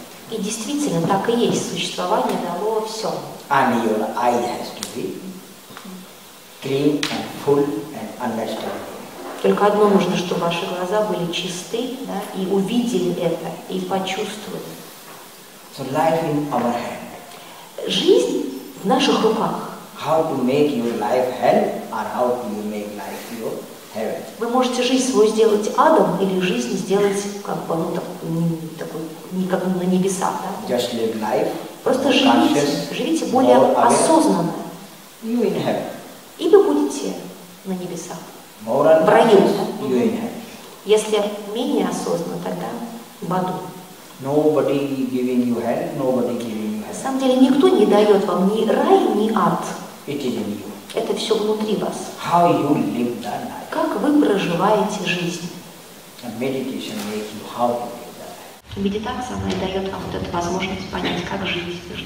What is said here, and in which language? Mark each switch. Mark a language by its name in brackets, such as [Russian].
[Russian] И действительно, так и есть. Существование дало все. [English] And your eye has to be clean and full and understanding. [Russian] Только одно нужно, чтобы ваши глаза были чисты, да, и увидели это, и почувствовали. [English] So life in our hand. [Russian] Жизнь в наших руках. [English] How to make your life hell, or how to make life your heaven? [Russian] Вы можете жизнь свою сделать адом, или жизнь сделать как бы, ну, такой никак на небесах, да? [English] Just live life. [Russian] Просто живите, живите более осознанно. [English] You in heaven. [Russian] И вы будете на небесах. [English] More [Russian] в раю. [English] You in heaven. [Russian] Если менее осознанно, тогда в аду. [English] Nobody giving you hell, nobody giving you heaven. [Russian] На самом деле никто не дает вам ни рай, ни ад. [English] It is in you. [Russian] Это все внутри вас. [English] How you live that life? [Russian] Как вы проживаете жизнь? [English] And meditation makes you how to live that life. [Russian] Медитация, она дает вам вот эту возможность понять, как жить.